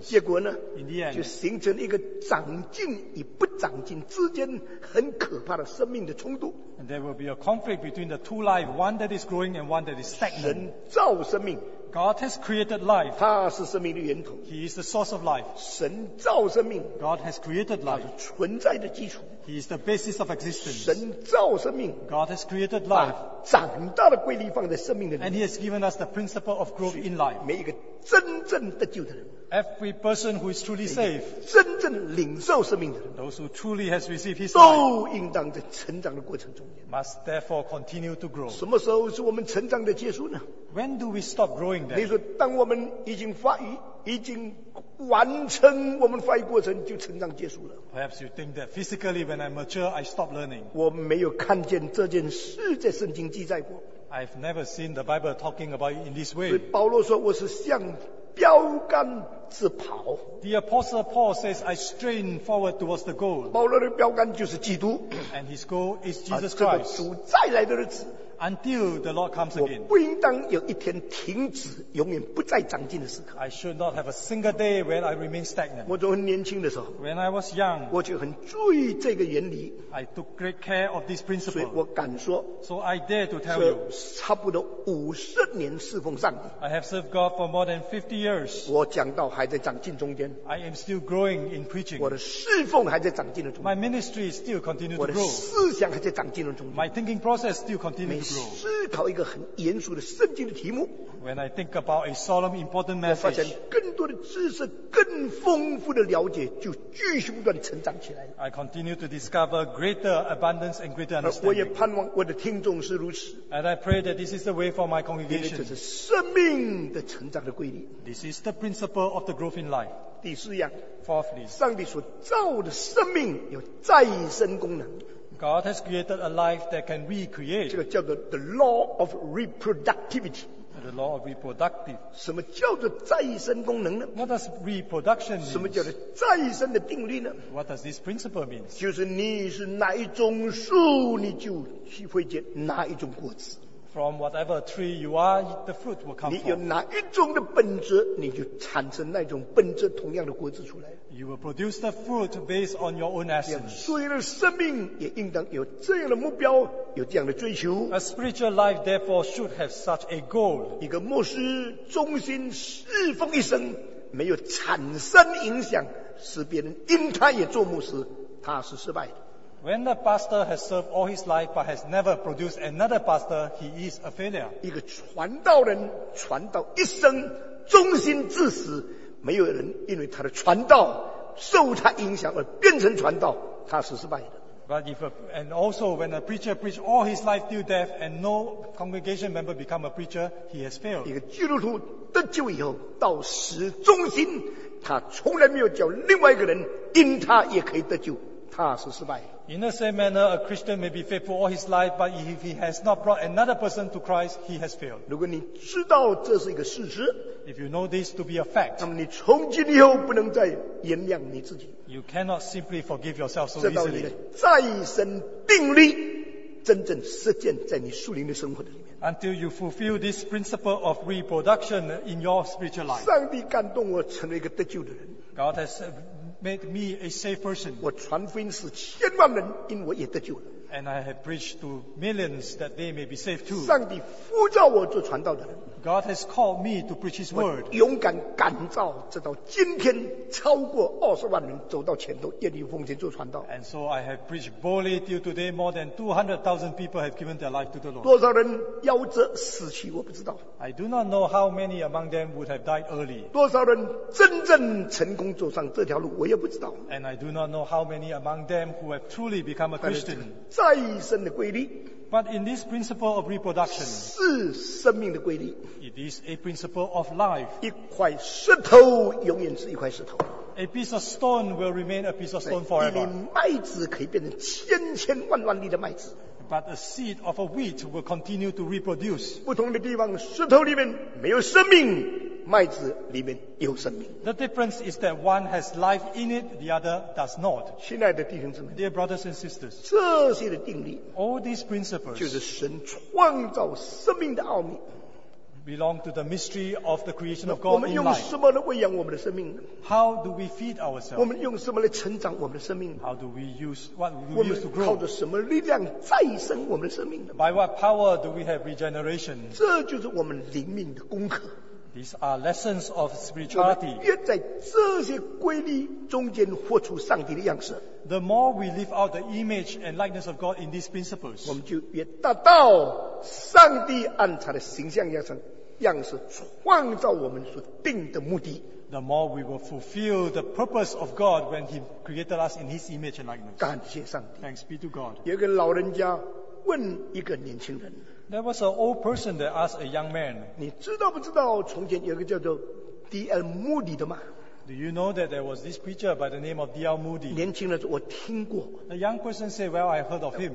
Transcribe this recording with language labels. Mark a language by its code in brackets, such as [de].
[zh] 结果呢？ [en] In the end, [zh] 就形成一个长进与不长进之间很可怕的生命的冲突。 [en] And there will be a conflict between the two lives, one that is growing and one that is stagnant. [zh] 神造生命。 [en] God has created life. [zh] 他是生命的源头。 [en] He is the source of life. [zh] 神造生命。 [en] God has created life. [zh] 他是存在的基础。 [en] He is the basis of existence. [zh] 神造生命。 [en] God has created life. [zh] 把长大的规律放在生命的里面。 [en] And He has given us the principle of growth in life. [zh] 每一个真正得救的人。 [en] Every person who is truly saved. [zh] 真正领受生命的人。 [en] Those who truly has received His [zh] 都应当在成长的过程中。 [en] Must therefore continue to grow. [zh] 什么时候是我们成长的结束呢？ [en] When do we stop growing then? [zh] 你说当我们已经发育，已经完成我们发育过程，就成长结束了。 [en] Perhaps you think that physically when I mature, I stop learning. [zh] 我没有看见这件事在圣经记载过。 [en] I've never seen the Bible talking about it in this way. [zh] 所以保罗说我是向标杆直跑。 [en] The apostle Paul says, I strain forward towards the goal. [zh] 保罗的标杆就是基督。 [en] And his goal is Jesus Christ. [zh] 这个主再来的日子。 [en] Until the Lord comes again. [zh] 我不应当有一天停止，永远不再长进的时刻。 [en] I should not have a single day when I remain stagnant. [zh] 我从年轻的时候， [en] when I was young, [zh] 我就很注意这个原理。 [en] I took great care of this principle. [zh] 所以我敢说， [en] so I dare to tell you, [zh] 差不多50年侍奉上帝。 [en] I have served God for more than 50 years. [zh] 我讲道还在长进中间。 [en] I am still growing in preaching. [zh] 我的侍奉还在长进的中间。 [en] My ministry still continues to grow. [zh] 我的思想还在长进的中间。 [en] My thinking process still continues to grow. [zh] 思考一个很严肃的圣经的题目。 [en] When I think about a solemn, important message, [zh] 我发现更多的知识、更丰富的了解，就继续不断成长起来。 [en] I continue to discover greater abundance and greater understanding. [zh] 我也盼望我的听众是如此。 [en] And I pray that this is the way for my congregation. [zh] 这是生命的成长的规律。 [en] This is the principle of the growth in life. [zh] 第四样。 [en] Fourthly, [zh] 上帝所造的生命有再生功能。 [en] God has created a life that can recreate. [zh] 这个叫做 [en] the law of reproductivity. The law of reproductive. [zh] 什么叫做再生功能呢？ [en] What does reproduction mean? [zh] 什么叫做再生的定律呢？ [en] What does this principle mean? [zh] 就是你是哪一种树，你就会结哪一种果子。 [en] From whatever tree you are, the fruit will come forth. [zh] 你有哪一种的本质，你就产生那种本质同样的果子出来。 [en] You will produce the fruit based on your own essence. [zh] 所以的生命也应当有这样的目标，有这样的追求。 [en] A spiritual life therefore should have such a goal. [zh] 一个牧师忠心侍奉一生，没有产生影响，使别人因他也做牧师，他是失败的。 [en] When a pastor has served all his life but has never produced another pastor, he is a failure. [zh] 一个传道人传道一生忠心至死，没有人因为他的传道受他影响而变成传道，他是失败的。 [en] But if a, and also when a preacher preached all his life till death and no congregation member become a preacher, he has failed. [zh] 一个基督徒得救以后到死忠心，他从来没有叫另外一个人因他也可以得救，他是失败的。 [en] In the same manner, a Christian may be faithful all his life, but if he has not brought another person to Christ, he has failed. [zh] 如果你知道这是一个事实, [en] if you know this to be a fact, [zh] 那么你从今以后不能再原谅你自己。 [en] You cannot simply forgive yourself so easily. [zh] 直到你的再生定律真正实践在你属灵的生活里面。 [en] Until you fulfill this principle of reproduction in your spiritual life. [zh] 上帝感动我成为一个得救的人。 [en] God has made me a safe person. [zh] 我传福音使千万人因我也得救了。 [en] And I have preached to millions that they may be saved too. [zh] 上帝呼召我做传道的人。 [en] God has called me to preach His word. [zh] 我勇敢感召，直到今天，超过200,000人走到前头，愿意奉献做传道。 [en] And so I have preached boldly till today. More than 200,000 people have given their life to the Lord. [zh] 多少人夭折死去，我不知道。 [en] I do not know how many among them would have died early. [zh] 多少人真正成功走上这条路，我也不知道。 [en] And I do not know how many among them who have truly become a Christian. [zh] 再生的规律。 [en] But in this principle of reproduction, [zh] 是生命的规律。 [en] It is a principle of life. [zh] 一块石头永远是一块石头。 [en] A piece of stone will remain a piece of stone forever. [zh] 麦子可以变成千千万万粒的麦子。 [en] But a seed of a wheat will continue to reproduce. [zh] 不同的地方，石头里面没有生命，麦子里面有生命。 [en] The difference is that one has life in it, the other does not. [zh] 亲爱的弟兄姊妹， [en] Dear brothers and sisters, [zh] 这些的定律， [en] All these principles, [zh] 就是神创造生命的奥秘。 [en] Belong to the mystery of the creation of God in life. [zh] 我们用什么来喂养我们的生命？ [en] How do we feed ourselves? [zh] 我们用什么来成长我们的生命？ [en] How do we use what we use to grow? [zh] 我们靠着什么力量再生我们的生命？ [en] By what power do we have regeneration? [zh] 这就是我们灵命的功课。 [en] These are lessons of spirituality. [zh] 我们越在这些规律中间活出上帝的样式。 [en] The more we live out the image and likeness of God in these principles, [zh] 我们就越达到上帝按他的形象样式。样式创造我们所定的目的。 [en] The more we will fulfill the purpose of God when He created us in His image and likeness. [zh] 感谢上帝。 [en] Thanks be to God. [zh] 有个老人家问一个年轻人。 [en] There was an old person that asked a young man. [zh] 你知道不知道从前有个叫做 D.L. Moody 的吗？ [en] Do you know that there was this preacher by the name of D.L. Moody? [zh] 年轻人说我听过。 [en] The young person said, "Well, I heard of him."